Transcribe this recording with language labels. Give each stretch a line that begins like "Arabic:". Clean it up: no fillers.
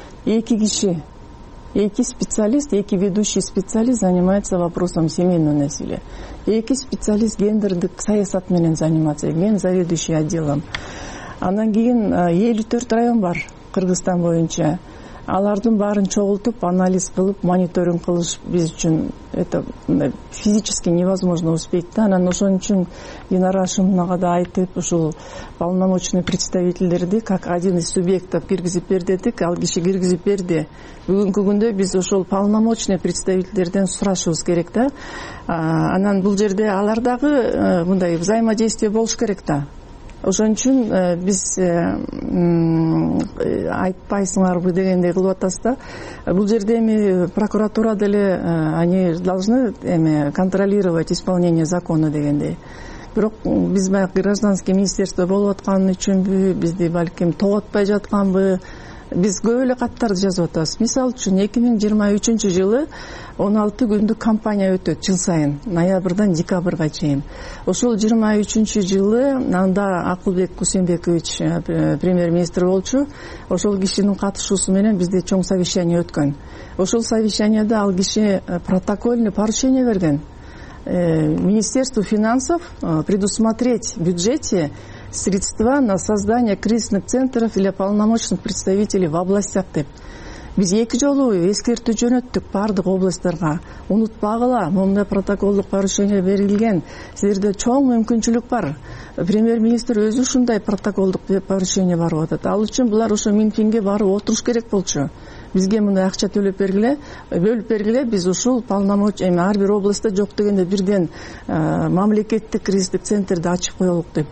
Russian: 2 киши, 2 специалист, 2 ведущий специалист занимается вопросом семейного насилия, 2 специалист
Kyrgyz: гендердик саясат менен
Russian: заниматься, мен заведующий отделом.
Kyrgyz: Анан кийин 54 район бар Кыргызстан боюнча. Алардын баарын чогултуп, анализ кылып, мониторинг кылыш биз үчүн
Russian: это физически невозможно успеть
Kyrgyz: да. Анан ошон үчүн Динара Ашымовнага да айтып, ушул полномочный представительдерди
Russian: как один из субъектов
Kyrgyz: киргизип бер дедик, ал киши киргизип берди. Бүгүнкү күндө биз ошол полномочный представительдерден сурашыбыз керек да. Анан бул жерде алар дагы мындай взаимодействие болуш керек да. Ошон үчүн биз айтпайсыңарбы дегендей кылып атасыз да. Бул жерде эми прокуратура деле
Russian: они должны
Kyrgyz: эми
Russian: контролировать исполнение закона
Kyrgyz: дегендей. Бирок биз баягы гражданский министерство болуп аткан үчүнбү, бизди балким тоготпай жатканбы? Биз көп эле каттарды жазып атабыз. Мисалы үчүн 2023 жылы 16 күндүк кампания өтөт жыл сайын, ноябрдан декабрга чейин. Ошол 23 жылы анда Акылбек Кусенбекович премьер-министр болчу. Ошол кишинин катышуусу менен бизде чоң совещание өткөн. Ошол совещанияда ал киши протокольный поручение берген:
Russian: Министерству финансов предусмотреть в бюджете средства на создание кризисных центров или полномочных представителей в областях деп.
Kyrgyz: Биз эки жолу эскертүү жөнөттүк бардык областтарга: унутпагыла, мондай протоколдук порушение берилген, силерде чоң мүмкүнчүлүк бар. Премьер-министр өзү ушундай протоколдук порушение барып атат. Ал үчүн булар ошо Минфинге барып отуруш керек болчу. Бизге мындай акча төлөп бергиле, бөлүп бергиле, биз ушул полномочия эми ар бир областта жок дегенде бирден мамлекеттик кризистик центрди ачып коелук деп.